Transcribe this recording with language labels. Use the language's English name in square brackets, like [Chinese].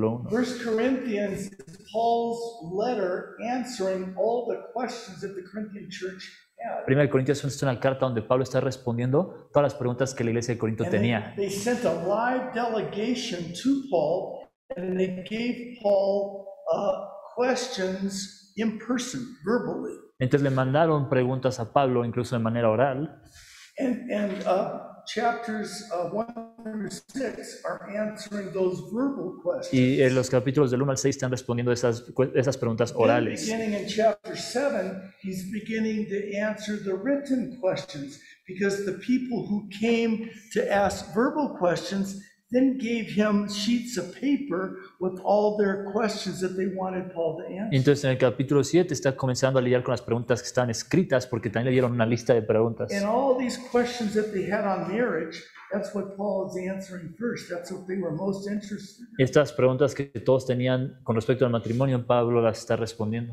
[English] First Corinthians is Paul's letter answering all the questions that the Corinthian church had. [Spanish] Primera Corintios es una carta donde Pablo está respondiendo todas las preguntas que la iglesia de Corinto tenía. [English] They sent a live delegation to Paul, and they gave Paul questions in person, verbally. [Spanish] Entonces le mandaron preguntas a Pablo, incluso de manera oral. [English] And chapters 1-6 are answering those verbal questions. [Spanish] Y en los capítulos del 1 al 6 están respondiendo esas preguntas orales. [English] And beginning in chapter 7, he's beginning to answer the written questions, because the people who came to ask verbal questions then gave him sheets of paper with all their questions that they wanted Paul to answer. [Spanish] Entonces en el capítulo 7 está comenzando a lidiar con las preguntas que están escritas, porque también le dieron una lista de preguntas. [English] And all these questions that they had on marriage, that's what Paul is answering first. That's what they were most interested in. [Spanish] Estas preguntas que todos tenían con respecto al matrimonio, Pablo las está respondiendo.